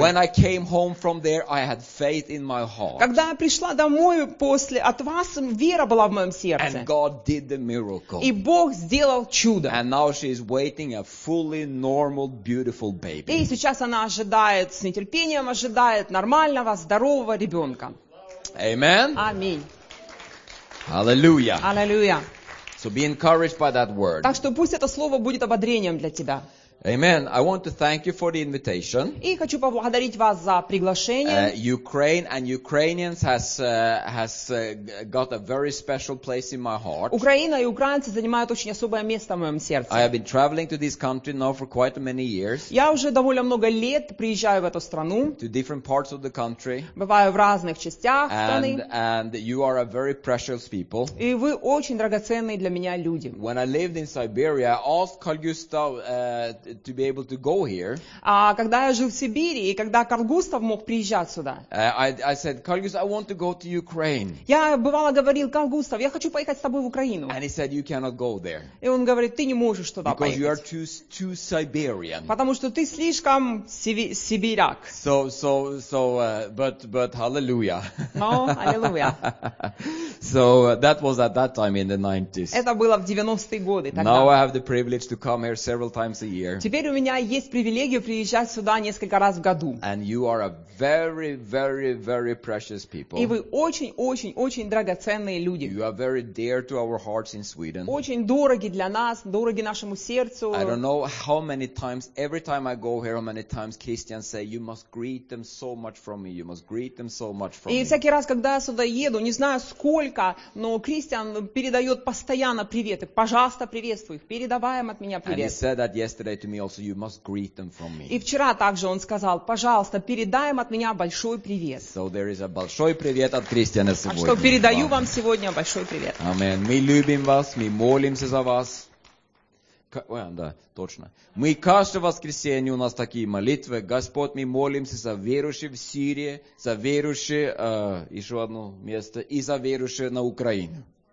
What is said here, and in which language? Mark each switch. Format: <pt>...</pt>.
<en>When I came home from there, I had faith in my heart.</en> <ru>Когда я пришла домой после от вас, вера была в моем сердце.</ru> <en>And God did the miracle.</en> <ru>И Бог сделал чудо.</ru> <en>And now she is waiting a fully normal, beautiful baby.</en> <ru>И сейчас она ожидает с нетерпением, ожидает нормального, здорового ребенка.</ru> <en>Amen.</en> <ru>Аминь.</ru> <en>Hallelujah. Hallelujah. So be encouraged by that word.</en> <ru>Так что пусть это слово будет ободрением для тебя.</ru> <en>Amen. I want to thank you for the invitation.</en> <ru>И хочу поблагодарить вас за приглашение.</ru> <en>Ukraine and Ukrainians has got a very special place in my heart.</en> <ru>Украина и украинцы занимают очень особое место в моем сердце.</ru> <en>I have been traveling to this country now for quite many years.</en> <ru>Я уже довольно много лет приезжаю в эту страну.</ru> <en>To different parts of the country.</en> <ru>Бываю в разных частях страны.</ru> <en>And you are a very precious people.</en> <ru>И вы очень драгоценные для меня люди.</ru> <en>When I lived in Siberia, I asked Carl Gustav to be able to go here.</en> <ru>Когда я жил в Сибири и когда Карл Густав мог приезжать сюда.</ru> <en>I said, Carl Gustav, I want to go to Ukraine.</en> <ru>Я бывало говорил, Карл Густав, я хочу поехать с тобой в Украину.</ru> <en>And he said, you cannot go there.</en> <ru>И он говорит, ты не можешь туда</ru> <en>because</en> <ru>поехать.</ru> <en>Because you are too Siberian.</en> <ru>Потому что ты слишком сибиряк.</ru> <en>But hallelujah. Oh, hallelujah. So that was at that time in the 90s.</en> <ru>Это было в 90-е годы.</ru> <en>Now I have the privilege to come here several times a year.</en> <ru>Теперь у меня есть привилегия приезжать сюда несколько раз в году.</ru> <en>And you are a very, very, very precious people.</en> <ru>И вы очень-очень-очень драгоценные люди.</ru> <en>You are very dear to our hearts in Sweden.</en> <ru>Очень дороги для нас, дороги нашему сердцу.</ru> <en>I don't know how many times, every time I go here, how many times Christians say, you must greet them so much from me, you must greet them so much from</en> <ru>и</ru> <en>me.</en> <ru>И всякий раз, когда я сюда еду, не знаю сколько, но Christian передает постоянно приветы. Пожалуйста, приветствуй их, передавай им от меня привет.</ru> <en>And he said that yesterday to me also, you must greet them from me.</en> <ru>И вчера также он сказал, пожалуйста, передай им от меня большой привет.</ru> <en>So there is a</en> <ru>большой привет от Кристиана сегодня. А что передаю вам сегодня большой привет.</ru> <en>Amen.</en> <ru>Мы любим вас, мы молимся за вас. Да, точно. Мы каждое воскресенье у нас такие молитвы. Господь, мы молимся за верующих в Сирии, за верующих еще одно место и за верующих на Украине.</ru>